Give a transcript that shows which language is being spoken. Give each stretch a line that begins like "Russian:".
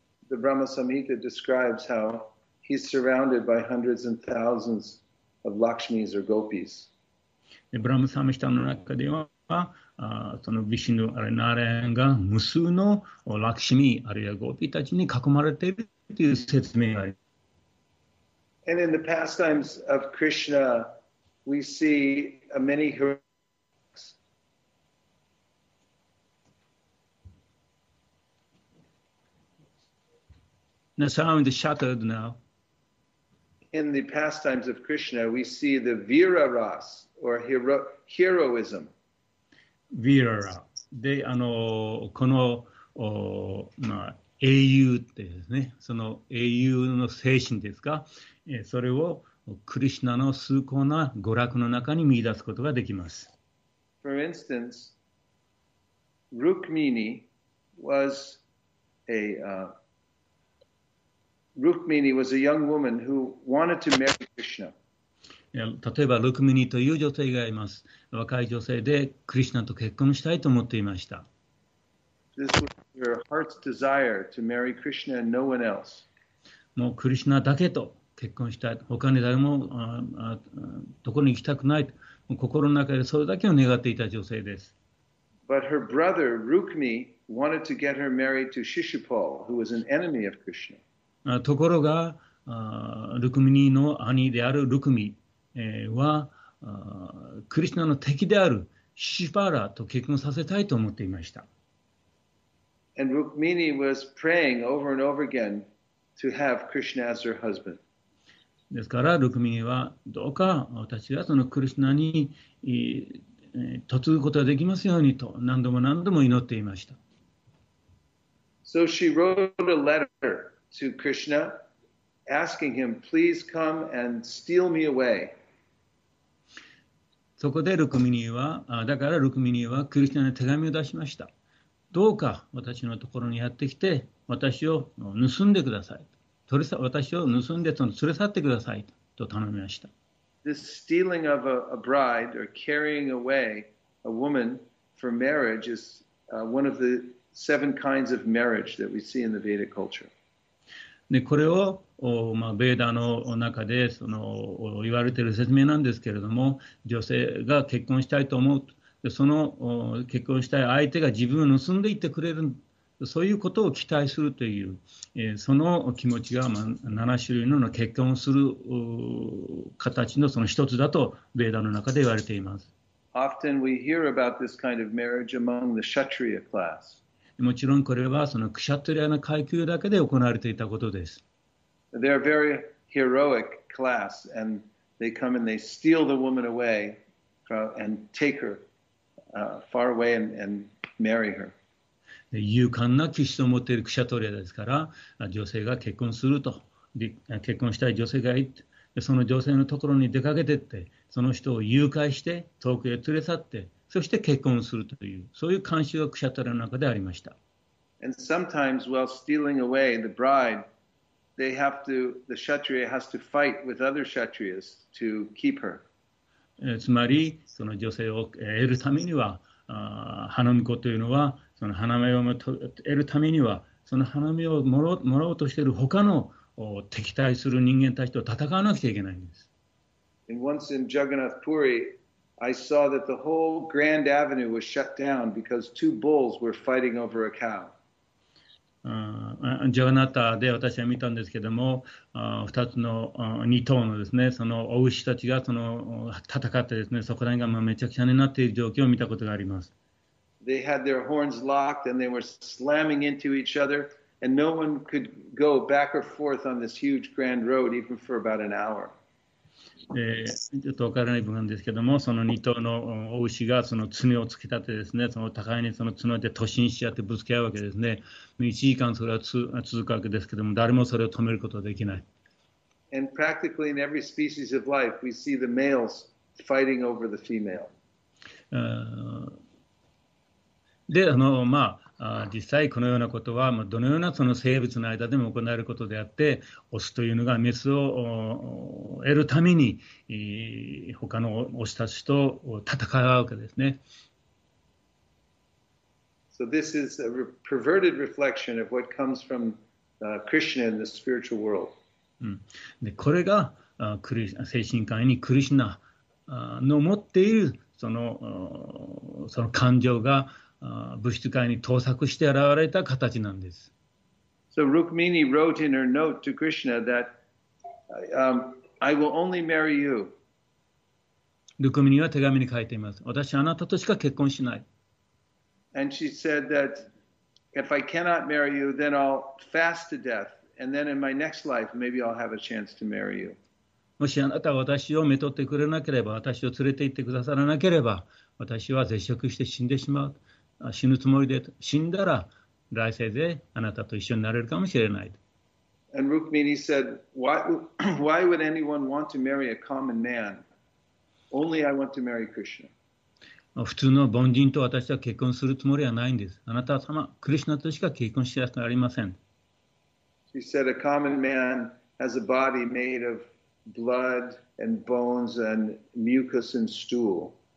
English: The Brahma Samhita describes how he's surrounded by hundreds and thousands of Lakshmis or gopis.
Japanese: で、ブラムサムヒタの中では、そのヴィシュヌ、あれ、ナーレーンが無数のラクシミ、あるいはゴピたちに囲まれているという説明があります。
English: And in the pastimes of Krishna, we see many heroics. The sound is shattered now. In the pastimes of Krishna, we see the Veera Ras, or heroism. Veera.
Japanese: で、このまあ、英雄ってですね、その英雄の精神ですが、それをクリシュナの崇高な娯楽の中に見出すことができます。
English: For instance, Rukmini was a young woman who wanted to marry Krishna.
Japanese: 例えば、ルクミニという女性がいます。若い女性でクリシュナと結婚したいと思っていました。
English: This was her heart's desire to marry Krishna and no one else.
Japanese: もうクリシュナだけと結婚したい。他に誰もどこに行きたくないと、もう心の中でそれだけを願っていた女性です。
English: But her brother, Rukmi, wanted to get her married to Shishupal, who was an enemy of Krishna.
Japanese: ところが、ルクミニの兄であるルクミは、クリシュナの敵であるシシュパーラと結婚させたいと思っていました。
English: And Rukmini was praying over and over again to have Krishna as her husband.
Japanese: ですから、ルクミニはどうか私がそのクリシュナに嫁ぐことができますようにと何度も何度も祈っていました。
English: So she wrote a letter to Krishna asking him, please come and steal me away.
Japanese: そこでルクミニは、だからルクミニはクリシュナに手紙を出しました。どうか私のところにやってきて、私を盗んでください。私を盗んで連れ去ってくださいと頼みました。
English: This stealing of a bride or carrying away a woman for marriage is one of the seven kinds of marriage that we see in the Vedic culture.
Japanese: で、これを、まあ、ベーダの中でその言われている説明なんですけれども、女性が結婚したいと思う、その結婚したい相手が自分を盗んでいってくれる、そういうことを期待するという、その気持ちが、まあ、7種類の結婚をする形のその一つだとベーダの中で言われています。
English: Often we hear about this kind of marriage among the Kshatriya class.
Japanese: もちろんこれはそのクシャトリアの階級だけで行われていたことです。
English: They're a very heroic class and they come and they steal the woman away and take her far away and marry her.
Japanese: 勇敢な気質を持っているクシャトリアですから、女性が結婚すると、結婚したい女性がいて、その女性のところに出かけてって、その人を誘拐して遠くへ連れ去って、そして結婚するという、そういう慣習がクシャトリアの中でありました。
English: And sometimes, while stealing away the bride, the Kshatriya has to fight with other Kshatriyas to keep her.
Japanese: つまり、その女性を得るためには、花婿というのは、その花嫁を得るためには、その花嫁をもらおうとしている他の敵対する人間たちと戦わなくちゃいけないんです。
English: And once in Jagannath Puri, I saw that the whole Grand Avenue was shut down because two bulls were fighting over a cow.
Japanese: ジャガナタで私は見たんですけども、2つの2頭のですね、そのお牛たちがその戦ってですね、そこら辺がまあめちゃくちゃになっている状況を見たことがあります。
English: They had their horns locked and they were slamming into each other, and no one could go back or forth on this huge grand road even for about an hour.
Japanese: ちょっと分からない部分ですけども、その2頭のお牛がその爪を突き立てですね、その互いにその爪で突進し合ってぶつけ合うわけですね。 1時間それは続くわけですけども、誰もそれを止めることはできない。
English: And practically in every species of life, we see the males fighting over the female.
Japanese: で、実際このようなことは、どのようなその生物の間でも行われることであって、オスというのがメスを得るために、他のオスたちと戦うわけですね。
English: So this is a perverted reflection of what comes from Krishna in the spiritual world.
Japanese: で、これが精神科医にクリシナの持っているその感情が、物質界に盗作して現れた形なんです。
English: So Rukmini wrote in her note to Krishna that I will only marry you.
Japanese: ルクミニは手紙に書いています。私はあなたとしか結婚しない。
English: And she said that if I cannot marry you, then I'll fast to death, and then in my next life, maybe I'll have a chance to marry you.
Japanese: もしあなたは私を娶ってくれなければ、私を連れて行ってくださらなければ、私は絶食して死んでしまう。死ぬつもりで、死んだら来世であなたと一緒になれるかもしれない。
English: And Rukmini said, why would anyone want to marry a common man? Only I want to marry Krishna.
Japanese: 普通の凡人と私は結婚するつもりはないんです。あなた様、クリシナとしか結婚しやすくありません。
English: She said, a common man has a body made of blood and bones and mucus and stool.